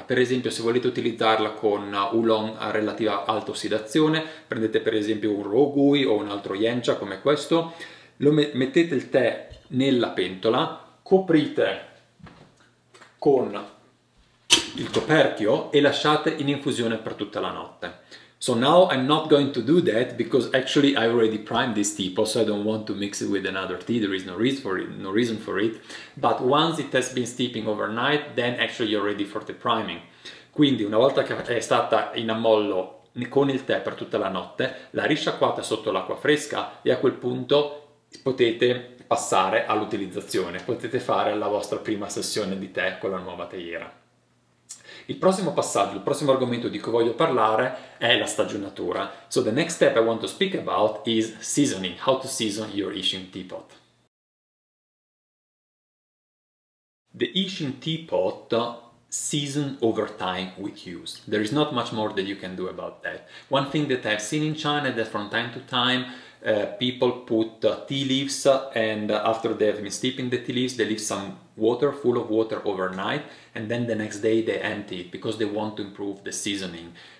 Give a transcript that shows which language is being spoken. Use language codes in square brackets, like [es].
[it] Per esempio, se volete utilizzarla con oolong a relativa alta ossidazione, prendete per esempio un rogui o un altro yencha come questo, mettete il tè nella pentola, coprite con il coperchio e lasciate in infusione per tutta la notte. [en] So now I'm not going to do that because actually I already primed this teapot, so I don't want to mix it with another tea. There is no reason for it. But once it has been steeping overnight, then actually you're ready for the priming. [it] Quindi una volta che è stata in ammollo con il tè per tutta la notte, la risciacquate sotto l'acqua fresca e a quel punto potete passare all'utilizzazione. Potete fare la vostra prima sessione di tè con la nuova teiera. Il prossimo passaggio, il prossimo argomento di cui voglio parlare è la stagionatura. [en] So the next step I want to speak about is seasoning, how to season your YIXING teapot. The YIXING teapot season over time with use. There is not much more that you can do about that. One thing that I've seen in China is that from time to time people put tea leaves and after they have been steeping the tea leaves, they leave some water, full of water overnight, and then the next day they empty it because they want to improve the seasoning.